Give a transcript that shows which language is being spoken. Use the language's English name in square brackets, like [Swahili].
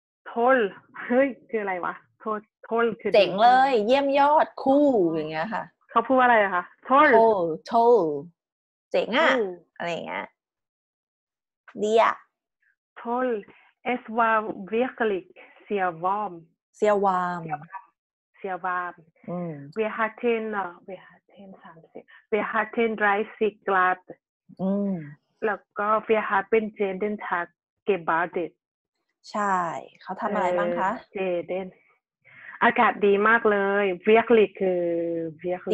[Thai] toll เฮ้ยคืออะไรวะ toll คือ เจ๋งเลยเยี่ยมยอดคู่อย่างเงี้ยค่ะ เขาพูดว่าอะไรคะ toll เจ๋งอะอะไรเงี้ยดีอะ [German] toll es war wirklich sehr warm sehr warm sehr warm wir hatten 30 wir hatten 30 Grad [Thai] แล้วก็ [German] wir haben jeden Tag gebadet [Thai] ใช่เขาทำอะไรบ้างคะ jeden อากาศดีมากเลย wirklich คือ wirklich